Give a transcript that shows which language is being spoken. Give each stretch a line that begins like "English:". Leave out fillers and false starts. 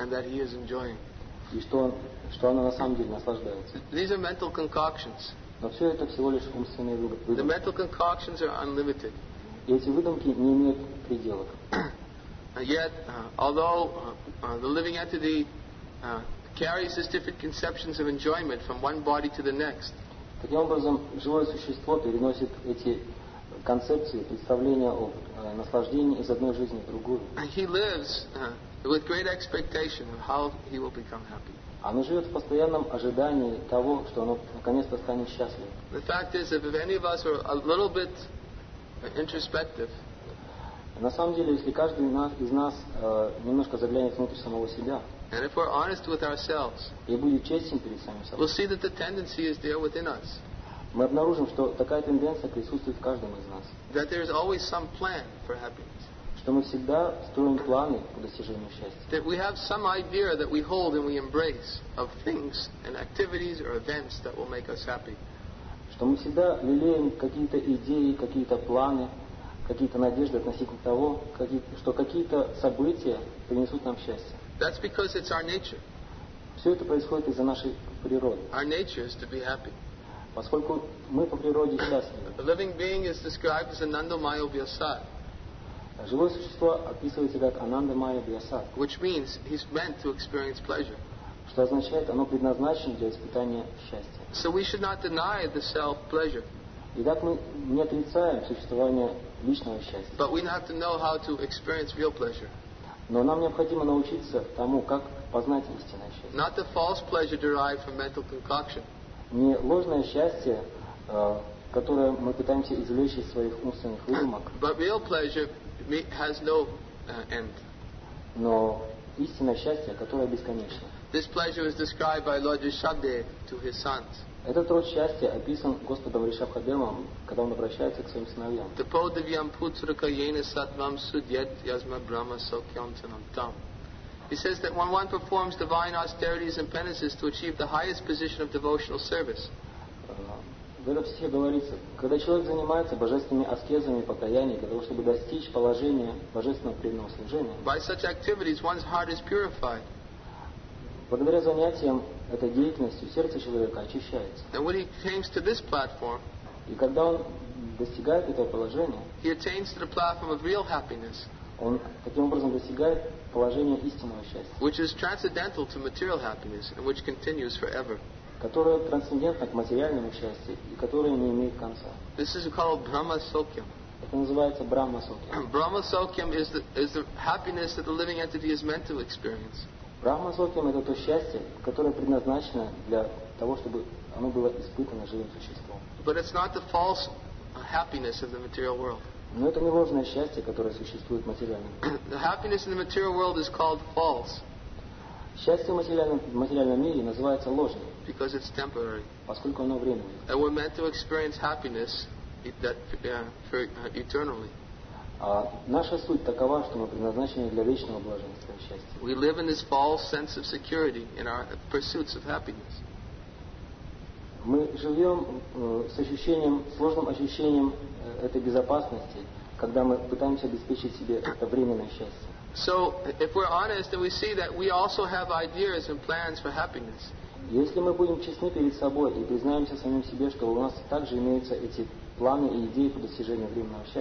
English: And that he is enjoying.
Russian: И что оно на самом деле наслаждается.
English: These are mental concoctions.
Russian: Но все это всего лишь умственные выдумки.
English: The mental concoctions are unlimited.
Russian: И эти выдумки не имеют пределов.
English: Yet, although the living entity carries these different conceptions of enjoyment from one body to the next.
Russian: Таким образом, живое существо переносит эти концепции, представления о наслаждении из одной жизни в другую.
English: He lives with great expectation of how he will become happy.
Russian: Оно живет в постоянном ожидании того, что оно наконец-то станет счастливым.
English: The fact is, if any of us are a little bit introspective.
Russian: На самом деле, если каждый из нас немножко заглянет внутрь самого себя,
English: and if we're honest with ourselves,
Russian: и будет честен перед самим собой,
English: we'll see that the tendency is there within us.
Russian: Мы обнаружим, что такая тенденция присутствует в каждом из нас.
English: That there is always some plan for happiness.
Russian: Что мы всегда строим планы по достижению счастья.
English: That we have some idea that we hold and we embrace of things and activities or events that will make us happy.
Russian: Что мы всегда лелеем какие-то идеи, какие-то планы, какие-то надежды относительно того, что какие-то события принесут нам счастье.
English: That's because it's our nature.
Russian: Все это происходит из-за нашей природы.
English: Our nature is to be happy.
Russian: Поскольку мы по природе счастливы.
English: A living being is described as anandamaya vyasat.
Russian: Живое существо описывается как anandamaya vyasat.
English: Which means he's meant to experience pleasure.
Russian: Что означает, оно предназначено для испытания счастья.
English: So we should not deny the self pleasure.
Russian: Итак, мы не отрицаем существование личного счастья.
English: But we have to know how to experience real pleasure.
Russian: Но нам необходимо научиться тому, как познать истинное счастье.
English: Not the false pleasure derived from mental concoction.
Russian: Не ложное счастье, которое мы пытаемся извлечь из своих умственных выдумок.
English: But real pleasure has no end.
Russian: Но истинное счастье, которое бесконечно.
English: This pleasure is described by Lord Rishabhdev to his sons.
Russian: Этот род счастья описан Господом Ришабхадевом, когда он обращается к своим сыновьям.
Sanskrit: The Podavyam Putraka Yena Satvam Sudyat Yasma Brahma Sokyam Tanam Tam.
English: He says that when one performs divine austerities and penances to achieve the highest position of devotional service.
Russian: В этом стихе говорится, когда человек занимается божественными аскезами и покаяниями для того, чтобы достичь положения божественного преданного служения.
English: By such activities one's heart is purified.
Russian: Благодаря занятиям этой деятельностью сердце человека очищается.
English: And when he attains to this platform,
Russian: и когда он достигает этого положения,
English: he attains to the platform of real happiness,
Russian: он таким образом достигает положения истинного счастья,
English: which is transcendental to material happiness and which continues forever,
Russian: которое трансцендентно к материальному счастью и которое не имеет конца.
English: This is called Brahma Sokyam.
Russian: Это называется Брахма Сокья.
English: Brahma Sokyam is the happiness that the living entity is meant to experience.
Russian: Брахмасокьям — это то счастье, которое предназначено для того, чтобы оно было испытано живым существом.
English: But it's not the false happiness of the material world.
Russian: Но это не ложное счастье, которое существует в материальном мире.
English: The happiness in the material world is called false.
Russian: Счастье в материальном мире называется ложным.
English: Because it's temporary.
Russian: Поскольку оно временное.
English: And we're meant to experience happiness for eternally.
Russian: Наша суть такова, что мы предназначены для вечного блаженства и счастья.
English: We live in this false sense of security in our pursuits of happiness.
Russian: Мы живем с ощущением, сложным ощущением этой безопасности, когда мы пытаемся обеспечить себе это временное счастье.
English: So, if we're honest, then we see that we also have ideas and plans for happiness.
Russian: Если мы будем честны перед собой и признаемся самим себе, что у нас также имеются эти планы и идеи по достижению временного счастья.